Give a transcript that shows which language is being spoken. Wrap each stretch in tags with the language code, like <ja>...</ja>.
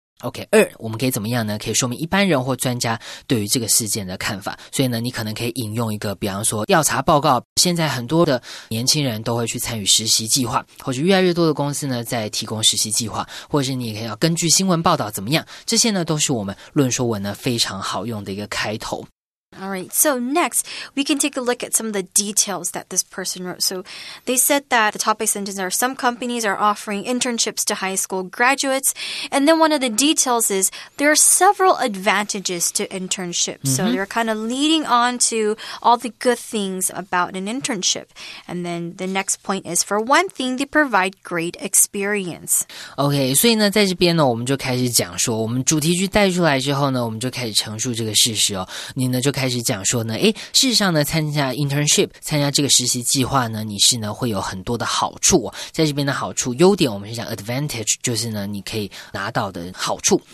<zh>OK， 二，我们可以怎么样呢？可以说明一般人或专家对于这个事件的看法。所以呢，你可能可以引用一个，比方说调查报告，现在很多的年轻人都会去参与实习计划，或者越来越多的公司呢在提供实习计划，或者是你也可以要根据新闻报道怎么样，这些呢都是我们论说文呢非常好用的一个开头。</zh> <en>All right, so next, we can take a look at some of the details that this person wrote. So they said that the topic sentence are some companies are offering internships to high school graduates. And then one of the details is there are several advantages to internships. Mm-hmm. So they're kind of leading on to all the good things about an internship. And then the next point is, for one thing, they provide great experience.</en> <zh>Okay, 所以呢在这边呢我们就开始讲说我们主题句带出来之后呢我们就开始陈述这个事实哦。你呢就开始讲说呢，诶，事实上呢，参加 internship， 参加这个实习计划呢，你是呢会有很多的好处。在这边的好处优点我们是讲 advantage， 就是呢你可以拿到的好处。</zh>